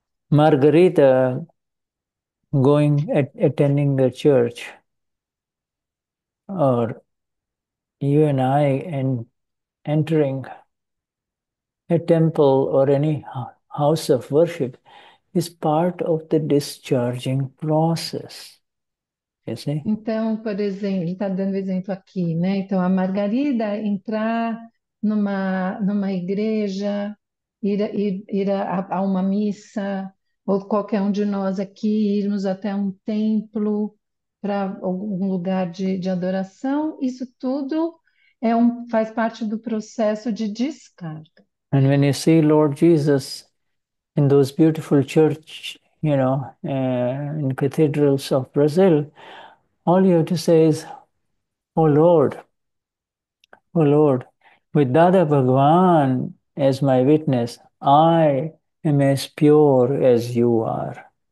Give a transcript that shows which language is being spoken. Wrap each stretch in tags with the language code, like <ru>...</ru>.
<en>Margarita going at attending the church, or you and I and entering a temple or any house of worship. is part of the discharging process. You see?</en> <pt>Então, por exemplo, ele está dando exemplo aqui, né? Então, a Margarida entrar numa igreja, ir a uma missa, ou qualquer um de nós aqui irmos até um templo para algum lugar de adoração, isso tudo faz parte do processo de descarga.</pt> <en>And when you see Lord Jesus in those beautiful church, in cathedrals of Brazil, all you have to say is, oh Lord, with Dada Bhagwan as my witness, I am as pure as you are.</en>